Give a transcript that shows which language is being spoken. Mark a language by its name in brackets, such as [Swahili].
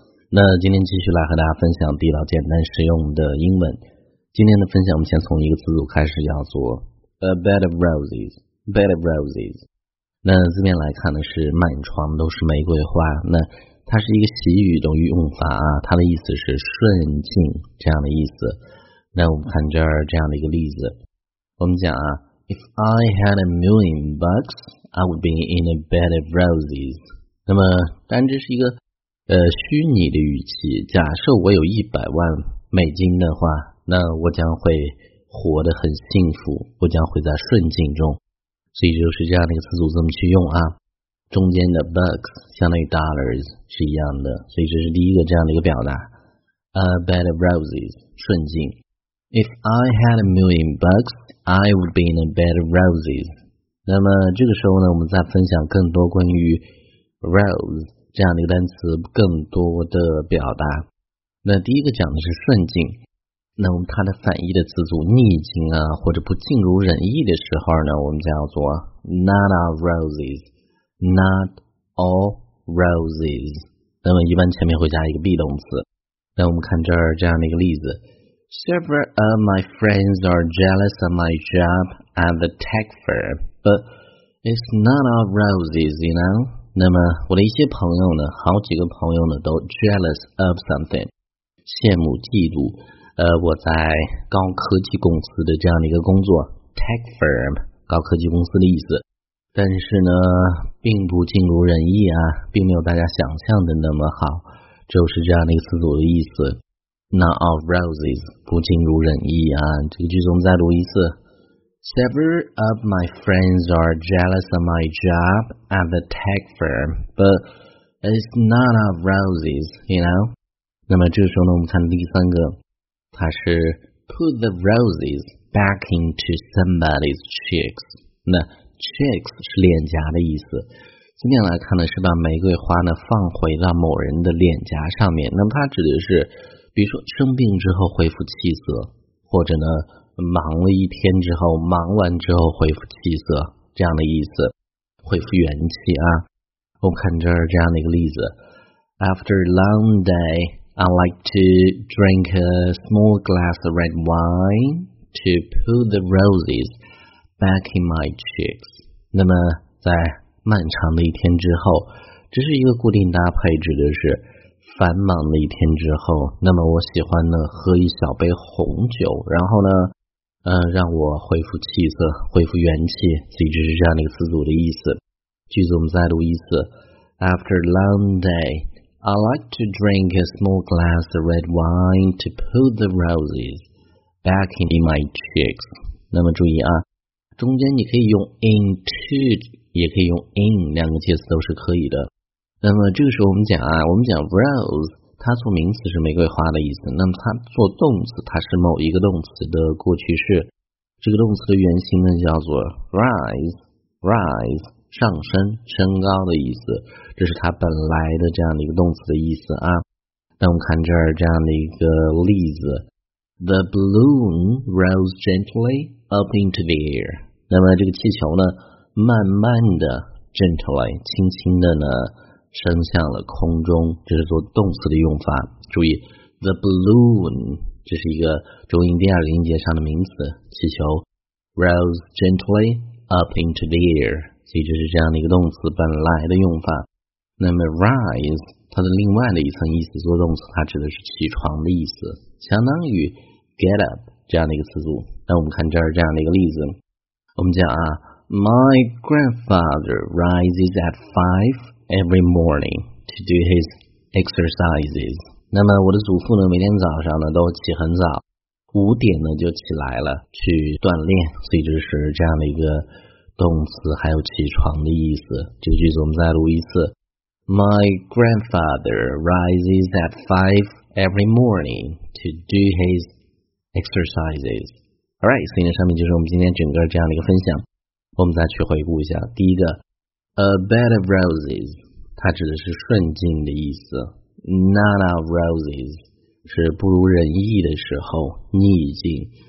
[Chinese] 那今天继续来和大家分享地道、简单、实用的英文。今天的分享，我们先从一个词组开始，叫做 [English] a bed of roses。 bed of roses。 [Chinese] 那字面来看呢，是满床都是玫瑰花。那它是一个习语的用法啊，它的意思是顺境这样的意思。那我们看这儿这样的一个例子，我们讲啊 [English] ，If I had $1,000,000, I would be in a bed of roses。 [Chinese] 那么当然这是一个虚拟的语气，假设我有$1,000,000的话，那我将会活得很幸福，我将会在顺境中。所以就是这样的一个词组这么去用啊，中间的 bucks 相当于 dollars 是一样的，所以这是第一个这样的一个表达， [English] a bed of roses [Chinese] 顺境。 [English] If I had $1,000,000, I would be in a bed of roses。 [Chinese] 那么这个时候呢，我们再分享更多关于Rose 这样的一个单词更多的表达。那第一个讲的是顺境，那我们它的反义的词组逆境啊，或者不尽如人意的时候呢，我们叫做 [English] not all roses， not all roses。 [Chinese] 那么一般前面会加一个 be 动词。那我们看这儿这样的一个例子， [English] Several of my friends are jealous of my job at the tech firm， but it's not all roses， you know。 [Chinese] 那么我的一些朋友呢，好几个朋友呢，都 [English] jealous of something， [Chinese] 羡慕嫉妒我在高科技公司的这样的一个工作， tech firm， 高科技公司的意思。但是呢并不尽如人意啊，并没有大家想象的那么好，就是这样的一个词组的意思， [English] not all roses， [Chinese] 不尽如人意啊。这个句子我们再读一次， [English] Several of my friends are jealous of my job at the tech firm, but it's not of roses, you know? [Chinese] 那么这个时候呢，我们看第三个，它是 [English] put the roses back into somebody's cheeks。 [Chinese] 那 cheeks 是脸颊的意思，字面来看呢，是把玫瑰花呢放回到某人的脸颊上面。那么它指的是比如说生病之后恢复气色，或者呢忙了一天之后，忙完之后恢复气色，这样的意思，恢复元气啊。我看这儿这样的一个例子， [English] After a long day, I like to drink a small glass of red wine to put the roses back in my cheeks。 [Chinese] 那么在漫长的一天之后，这是一个固定搭配，指的是繁忙的一天之后，那么我喜欢呢喝一小杯红酒，然后呢让我恢复气色，恢复元气，所以这是这样的一个词组的意思。句子我们再读一次， [English] After a long day, I like to drink a small glass of red wine to put the roses back in my cheeks。 [Chinese] 那么注意啊，中间你可以用 into， 也可以用 in， 两个介词都是可以的。那么这个时候我们讲啊，我们讲 rose，它做名词是玫瑰花的意思，那么它做动词，它是某一个动词的过去式，这个动词的原型呢叫做 rise， 上升升高的意思，这是它本来的这样的一个动词的意思啊。那我们看这儿这样的一个例子， [English] The balloon rose gently up into the air。 [Chinese] 那么这个气球呢慢慢的 gently 轻轻的呢升向了空中，这是做动词的用法。注意 [English] the balloon， [Chinese] 这是一个中音第二个音节上的名词，气球 [English] rose gently up into the air， [Chinese] 所以这是这样的一个动词本来的用法。那么 rise 它的另外的一层意思，做动词它指的是起床的意思，相当于 [English] get up [Chinese] 这样的一个词组。那我们看这儿这样的一个例子，我们讲啊， [English] My grandfather rises at 5every morning to do his exercises。 [Chinese] 那么我的祖父呢每天早上呢都起很早，5点呢就起来了去锻炼，所以这是这样的一个动词还有起床的意思。这个句子我们再读一次， [English] My grandfather rises at 5 every morning to do his exercises。 [Chinese] Alright， 所以呢上面就是我们今天整个这样的一个分享。我们再去回顾一下，第一个 [English] A bed of roses， [Chinese] 它指的是顺境的意思。 [English] None of roses [Chinese] 是不如人意的时候，逆境。